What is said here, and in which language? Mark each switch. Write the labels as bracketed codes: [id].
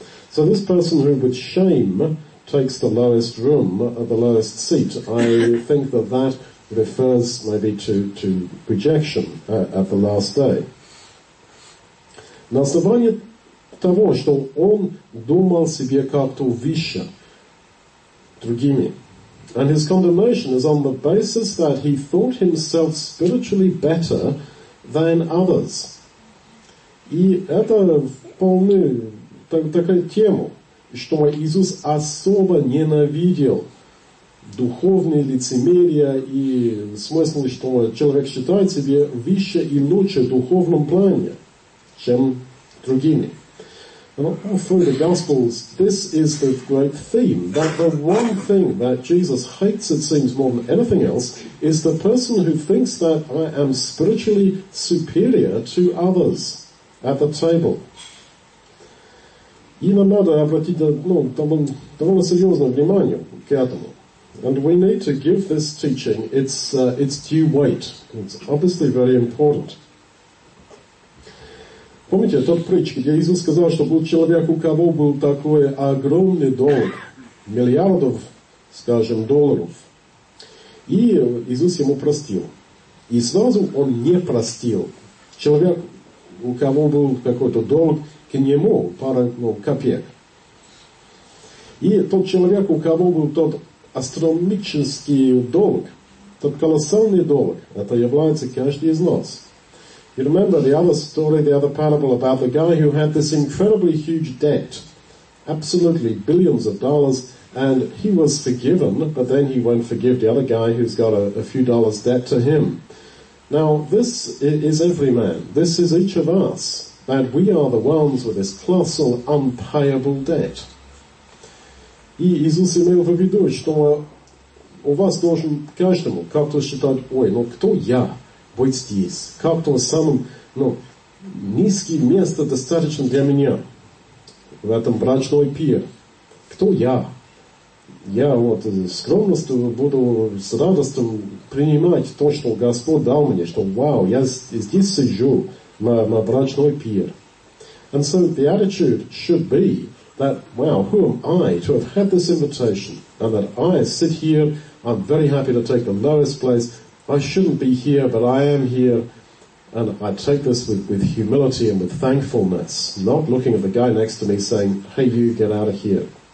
[en] So this person who with shame takes the lowest room, the lowest seat, I think that that refers maybe to rejection at the last day. [ru] На основании того, что он думал себе как-то выше, другими. [en] And his condemnation is on the basis that he thought himself spiritually better than others. [ru] И это вполне такая тема, что Иисус особо ненавидел духовные лицемерия и смысл, что человек считает себя выше и лучше в духовном плане, чем другими. [en] All through the Gospels, this is the great theme, that the one thing that Jesus hates, it seems, more than anything else, is the person who thinks that I am spiritually superior to others at the table. [ru] И нам надо обратить довольно серьезное внимание к этому. [en] And we need to give this teaching its due weight. It's obviously very important. [ru] Помните тот притч, где Иисус сказал, что был человек, у кого был такой огромный долг, миллиардов, скажем, долларов. И Иисус ему простил. И сразу он не простил. Человек, у кого был какой-то долг к нему, пара копеек. И тот человек, у кого был тот астрономический долг, тот колоссальный долг, это является каждый из нас. [en] You remember the other story, the other parable about the guy who had this incredibly huge debt, absolutely billions of dollars, and he was forgiven, but then he won't forgive the other guy who's got a few dollars debt to him. Now, this is every man. This is each of us, that we are the ones with this colossal, unpayable debt. [ru] И Иисус имел в виду, что у вас должен каждому как-то считать, ой, ну кто я быть здесь? Как-то самым, ну, низким местом достаточно для меня в этом брачной пир. Кто я? Я вот скромностью буду с радостью принимать то, что Господь дал мне, что вау, я здесь сижу на брачной пир. [en] And so the attitude should be that, wow, who am I to have had this invitation, and that I sit here, I'm very happy to take the lowest place, I shouldn't be here, but I am here, and I take this with humility and with thankfulness, not looking at the guy next to me saying, hey, you, get out of here.